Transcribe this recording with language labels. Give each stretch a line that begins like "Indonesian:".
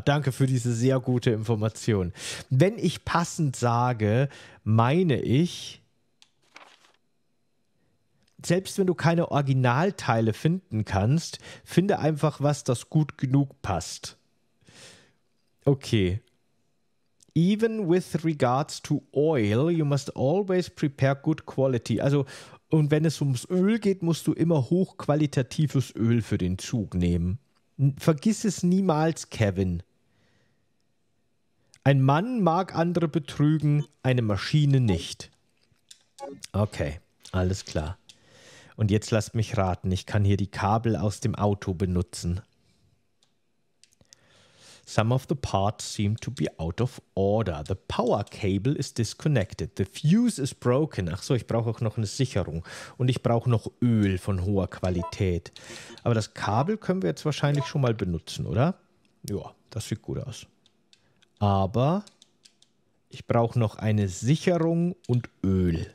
German: Danke für diese sehr gute Information. Wenn ich passend sage, meine ich, selbst wenn du keine Originalteile finden kannst, finde einfach was, das gut genug passt. Okay.
English: Even with regards to oil, you must always prepare good quality.
German: Also, und wenn es ums Öl geht, musst du immer hochqualitatives Öl für den Zug nehmen. Vergiss es niemals, Kevin. Ein Mann mag andere betrügen, eine Maschine nicht. Okay, alles klar. Und jetzt lasst mich raten, ich kann hier die Kabel aus dem Auto benutzen.
English: Some of the parts seem to be out of order. The power cable is disconnected. The fuse is broken.
German: Ach so, ich brauche auch noch eine Sicherung. Und ich brauche noch Öl von hoher Qualität. Aber das Kabel können wir jetzt wahrscheinlich schon mal benutzen, oder? Ja, das sieht gut aus. Aber ich brauche noch eine Sicherung und Öl.